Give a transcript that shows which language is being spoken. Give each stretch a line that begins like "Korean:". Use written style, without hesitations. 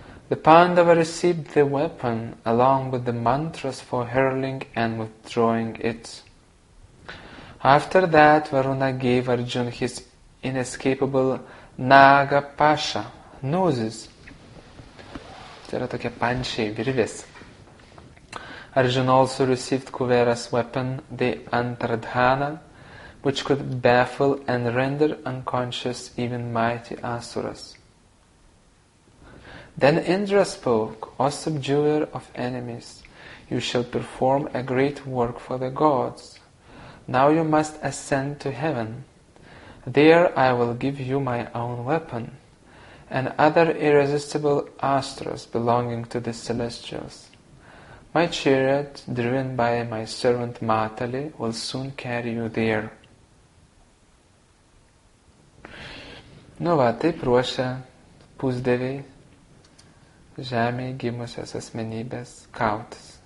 English: The Pandava received the weapon along with the mantras for hurling and withdrawing it. After that, Varuna gave Arjuna his inescapable Naga Pasha, noses.
Lithuanian: Tai yra tokie pančiai, virvės.
English: Arjuna also received Kuvera's weapon, the Antardhana, which could baffle and render unconscious even mighty asuras. Then Indra spoke, O subduer of enemies, you shall perform a great work for the gods. Now you must ascend to heaven. There I will give you my own weapon and other irresistible astras belonging to the celestials. My chariot, driven by my servant Matali, will soon carry you there.
Lithuanian: Nu va, taip ruošia pusdieviai žemėje gimusios asmenybės kautis.